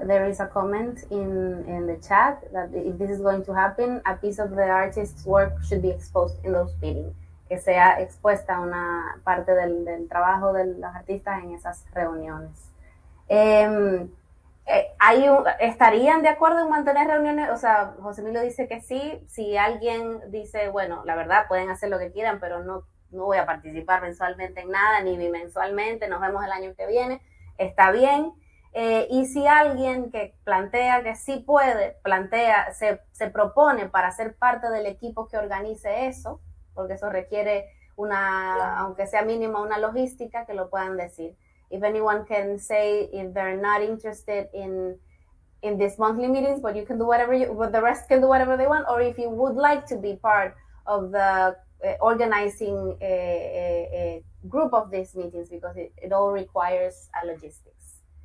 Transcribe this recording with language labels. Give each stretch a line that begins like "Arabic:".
English: There is a comment in the chat that if this is going to happen, a piece of the artist's work should be exposed in those meetings.
Spanish: Que sea expuesta una parte del trabajo de los artistas en esas reuniones. ¿Estarían de acuerdo en mantener reuniones? O sea, José Emilio dice que sí. Si alguien dice, bueno, la verdad, pueden hacer lo que quieran, pero no voy a participar mensualmente en nada, ni bimensualmente, nos vemos el año que viene. Está bien. Y si alguien que plantea que sí puede, plantea, se propone para ser parte del equipo que organice eso, porque eso requiere una, aunque sea mínima, una logística, que lo puedan decir.
English: If anyone can say if they're not interested in this monthly meetings, but you can do whatever you, but the rest can do whatever they want, or if you would like to be part of the organizing a group of these meetings, because it all requires a logistics.